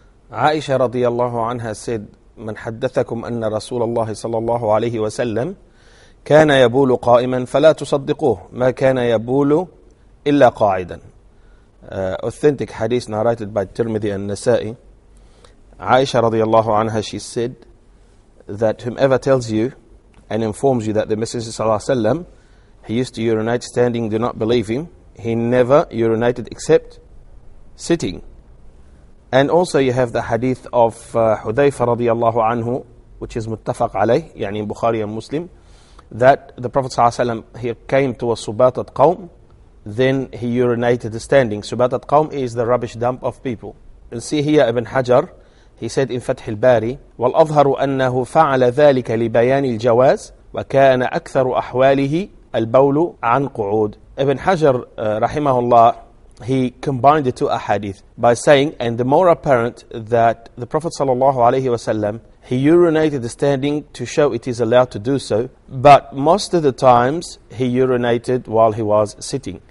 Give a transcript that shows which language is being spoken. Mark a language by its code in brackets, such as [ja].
[ar] عائشة رضي الله عنها said, من حدثكم أن رسول الله صلى الله عليه وسلم كان يبول قائما فلا تصدقوه ما كان يبول إلا قاعدا. [en] Authentic hadith narrated by Tirmidhi and Nasa'i. Aisha radiallahu anha, she said that whomever tells you and informs you that the Messenger sallallahu alayhi wa sallam, he used to urinate standing, do not believe him. He never urinated except sitting. And also you have the hadith of Hudhayfa radiallahu anhu, which is muttafaq alayh, yani in Bukhari and Muslim, that the Prophet sallallahu alayhi wa sallam, he came to a subatat qawm, then he urinated standing. Subatat qawm is the rubbish dump of people. And see here Ibn Hajar, he said in Fath al-Bari, [ar] وَالْأَظْهَرُ أَنَّهُ فَعَلَ ذَلِكَ لِبَيَانِ الْجَوَازِ وَكَانَ أَكْثَرُ أَحْوَالِهِ الْبَوْلُ عَنْ قُعُودِ. [en] Ibn Hajar, rahimahullah, he combined the two ahadith by saying, and the more apparent that the Prophet sallallahu alayhi wasallam, he urinated standing to show it is allowed to do so, but most of the times he urinated while he was sitting.